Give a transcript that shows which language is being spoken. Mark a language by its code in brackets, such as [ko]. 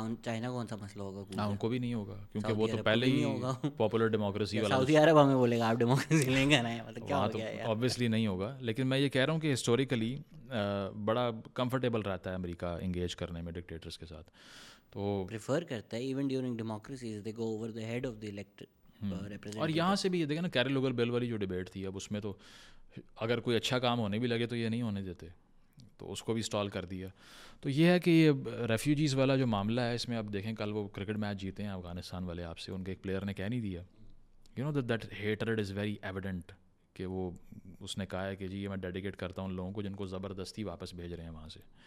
[ur] China کون سا مسئلہ ہوگا, نہ ان کو بھی نہیں ہوگا, کیونکہ وہ تو پہلے ہی پاپولر ڈیموکریسی والا. سعودی عرب ہمیں بولے گا آپ ڈیموکریسی لیں گے نا, کیا ہو گیا. آبویسلی نہیں ہوگا, لیکن میں یہ کہہ رہا ہوں کہ ہسٹوریکلی بڑا کمفرٹیبل رہتا ہے امریکہ انگیج کرنے میں ڈکٹیٹرز کے ساتھ, تو [en] prefer [ur] کرتا ہے [en] Even during democracies they go over the head of the elected. [ur] اور یہاں سے بھی یہ دیکھیں نا, کیری لوگل بل والی جو ڈیبیٹ تھی, اب اس میں تو اگر کوئی اچھا کام ہونے بھی لگے تو یہ نہیں ہونے دیتے, تو اس کو بھی اسٹال کر دیا. تو یہ ہے کہ یہ ریفیوجیز والا جو معاملہ ہے, اس میں اب دیکھیں کل وہ کرکٹ میچ جیتے ہیں افغانستان والے آپ سے, ان کے ایک پلیئر نے کہہ نہیں دیا, [en] you know that hatred is very evident, [ur] کہ وہ اس نے کہا ہے کہ جی یہ میں ڈیڈیکیٹ کرتا ہوں ان لوگوں کو جن کو زبردستی واپس بھیج رہے ہیں وہاں سے.